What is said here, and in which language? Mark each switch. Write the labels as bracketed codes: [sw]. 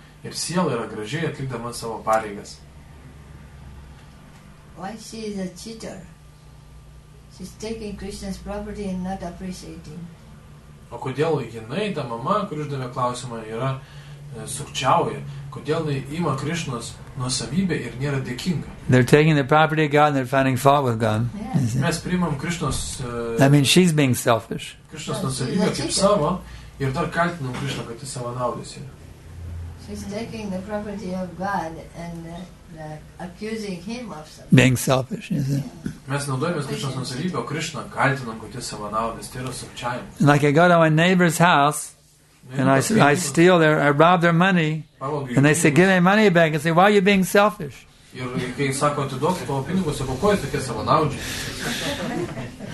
[lt] Ir siela yra gražiai atlikdama savo pareigas. [en] Why she is a cheater? She's taking Krishna's property and not appreciating. [lt] O kodėl jinai, ta mama, kuri uždavė klausimą, yra sukčiauja? Kodėl jinai ima Krishnos nuosavybę ir nėra dėkinga? [en] They're taking the property of God and they're finding fault with God. Yes. [lt] Mes priimam Krishnos. [en] I mean, she's being selfish. [lt] Krishnos nuosavybę kaip savo. Ir dar kaltinam Krishna, kad jis savanaudis yra. [en] She's taking the property of God and accusing him of something. Being selfish, is it? [lt] Mes naudojamės Krishnos nuosavybę, o Krishna kaltinam, kad jis savanaudis. Tai yra sukčiavimas. [en] Like I go to my neighbor's house and I rob their money and they say, give me money back, and say, why are you being selfish? [lt] Ir kai sako, atiduok tavo pinigus, sako, ko jis tokie savanaudžiai?